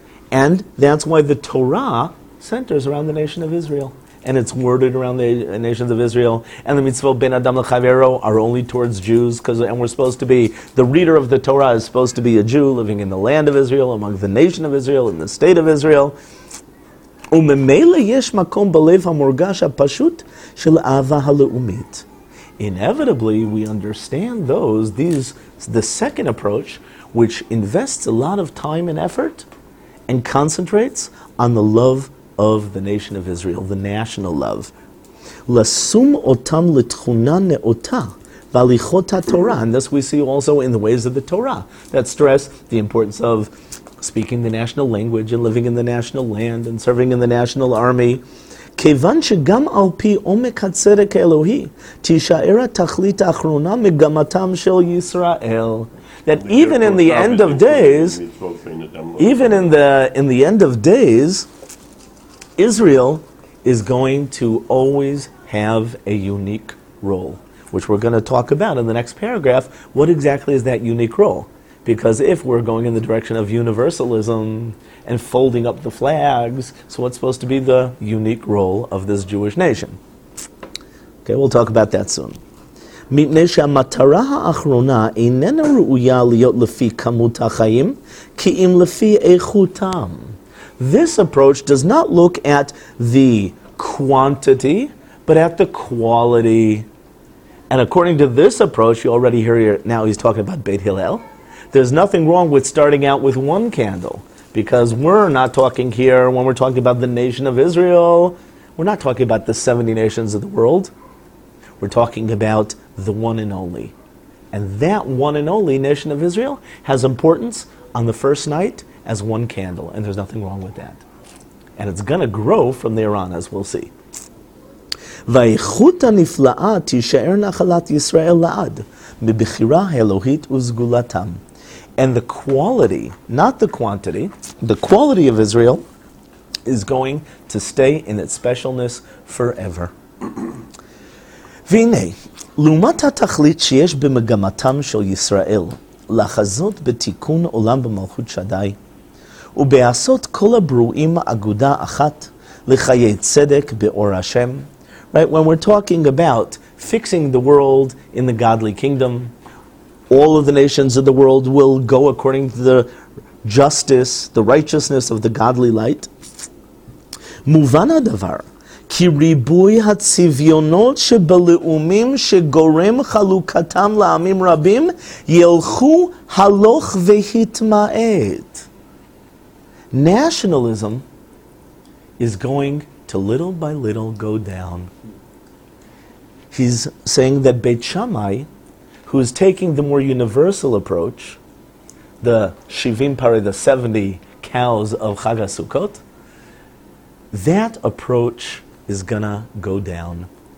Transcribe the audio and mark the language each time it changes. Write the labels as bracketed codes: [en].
[en] And that's why the Torah centers around the nation of Israel. And it's worded around the nations of Israel. And the mitzvot ben adam l'chavero are only towards Jews. And we're supposed to be, the reader of the Torah is supposed to be a Jew living in the land of Israel, among the nation of Israel, in the state of Israel. [he] וממילא יש מקום בלב המורגש הפשוט של אהבה הלאומית. [en] Inevitably, we understand those, these, the second approach, which invests a lot of time and effort and concentrates on the love of the nation of Israel, the national love. [he] לשום אותם לתכונה נאותה בהליכות התורה. [en] And this we see also in the ways of the Torah, that stress the importance of speaking the national language and living in the national land and serving in the national army. [he] כיוון שגם על פי עומק הצדק האלוהי תישאר התכלית האחרונה מגמתם של ישראל. [en] That even in the end of days, even in the end of days, Israel is going to always have a unique role, which we're going to talk about in the next paragraph. What exactly is that unique role? Because if we're going in the direction of universalism and folding up the flags, so what's supposed to be the unique role of this Jewish nation? Okay, we'll talk about that soon. [he] מפני שהמטרה האחרונה איננה ראויה להיות לפי כמות החיים, כי אם לפי איכותם. [en] This approach does not look at the quantity, but at the quality. And according to this approach, you already hear here, now he's talking about Beit Hillel. There's nothing wrong with starting out with one candle, because we're not talking here, when we're talking about the nation of Israel, we're not talking about the 70 nations of the world. We're talking about the one and only. And that one and only nation of Israel has importance on the first night as one candle, and there's nothing wrong with that. And it's going to grow from there on, as we'll see. [he] והאיכות הנפלאה תישאר נחלת ישראל לעד, מבחירה האלוהית וסגולתם. [en] And the quality, not the quantity, the quality of Israel is going to stay in its specialness forever. [he] והנה, לעומת התכלית שיש במגמתם של ישראל, לחזות בתיקון עולם במלכות שדי, ובעשות כל הברואים אגודה אחת, לחיי צדק באור השם. [en] Right, when we're talking about fixing the world in the godly kingdom, all of the nations of the world will go according to the justice, the righteousness of the godly light. [he] מובן הדבר, כי ריבוי הצביונות שבלאומים שגורם חלוקתם לעמים רבים, ילכו הלוך והתמעט. [en] Nationalism is going to little by little go down. He's saying that Beit Shammai, who is taking the more universal approach, the Shivim Pare, the 70 cows of Chag HaSukkot, that approach is going to go down.